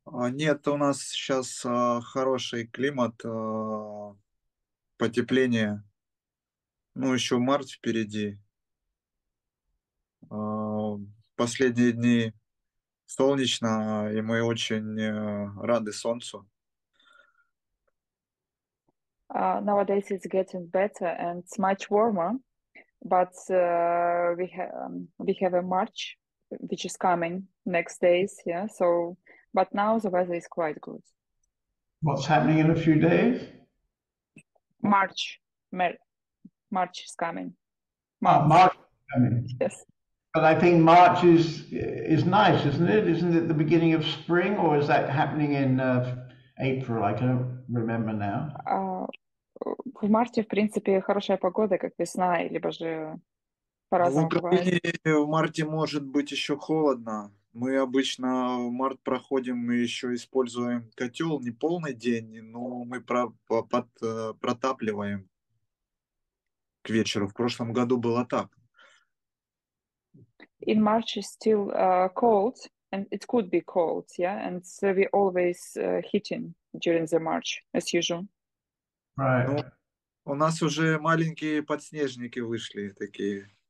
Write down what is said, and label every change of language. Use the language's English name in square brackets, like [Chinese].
[Russian] Нет, у нас сейчас хороший климат, потепление. Ну, еще март впереди. Последние дни солнечно, и мы очень рады солнцу. [English] Nowadays it's getting better and it's much warmer, but we have a March, which is coming next days, yeah. So, but now the weather is quite good. What's happening in a few days? March is coming. March is coming. Yes. But I think March is nice, isn't it? Isn't it the beginning of spring, or is that happening in April? I can't remember now. [Russian] В марте, в принципе, хорошая погода, как весна, либо же по-разному бывает. В марте может быть еще холодно. Мы обычно в март проходим, мы еще используем котел, не полный день, но мы протапливаем к вечеру. В прошлом году было так. [English] In March is still cold, and it could be cold, yeah? And so we always heating during the March, as usual. Right. [Russian] У нас уже маленькие подснежники вышли такие.